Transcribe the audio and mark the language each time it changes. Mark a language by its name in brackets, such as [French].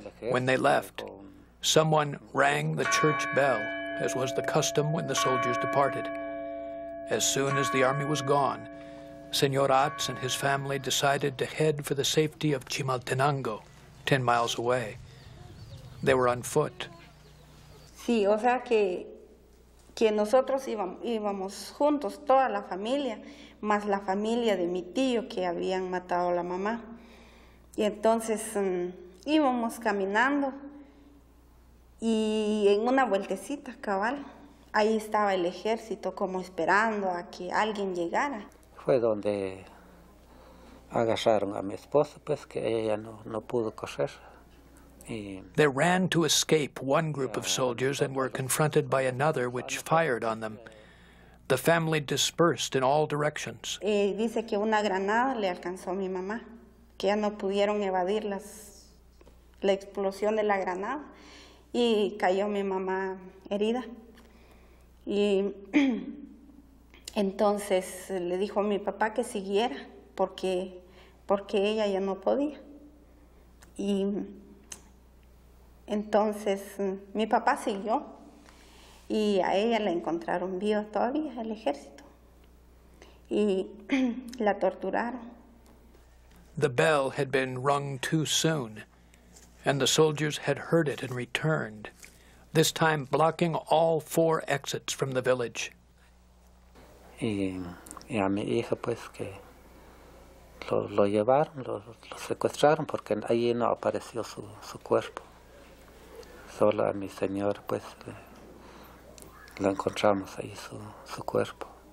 [English] When they left, someone rang the church bell, as was the custom when the soldiers departed. As soon as the army was gone, Señor Atz and his family decided to head for the safety of Chimaltenango, 10 miles away. They were on foot. [Spanish] Sí, o sea que nosotros íbamos juntos, toda la familia, más la familia de mi tío que habían matado a la mamá. Y entonces íbamos caminando y en una vueltecita cabal, ahí estaba el ejército como esperando a que alguien llegara. Fue donde agarraron a mi esposa, pues que ella no pudo correr. [English] They ran to escape one group of soldiers and were confronted by another, which fired on them. The family dispersed in all directions. [Spanish] Dice que una granada le alcanzó a mi mamá, que ya no pudieron evadir la explosión de la granada, y cayó mi mamá herida. Y entonces le dijo a mi papá que siguiera, porque ella ya no podía. Y entonces mi papá siguió y a ella la encontraron viva todavía el ejército y la torturaron. [English] The bell had been rung too soon, and the soldiers had heard it and returned, this time blocking all four exits from the village. [Spanish] Y a mi hija pues que lo llevaron, lo secuestraron porque allí no apareció su cuerpo. Solo a mi señor, pues, lo encontramos ahí, su cuerpo.